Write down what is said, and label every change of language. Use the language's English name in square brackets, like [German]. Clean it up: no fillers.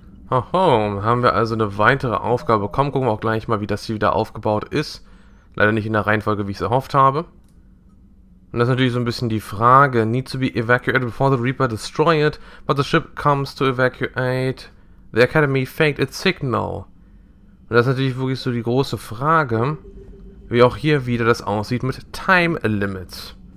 [German] Hoho, haben wir also eine weitere Aufgabe bekommen. Gucken wir auch gleich mal, wie das hier wieder aufgebaut ist. Leider nicht in der Reihenfolge, wie ich es erhofft habe. Und das ist natürlich so ein bisschen die Frage. [English] Need to be evacuated before the Reaper destroy it, but the ship comes to evacuate. The Academy faked its signal. [German] Und das ist natürlich wirklich so die große Frage, wie auch hier wieder das aussieht mit Time Limits.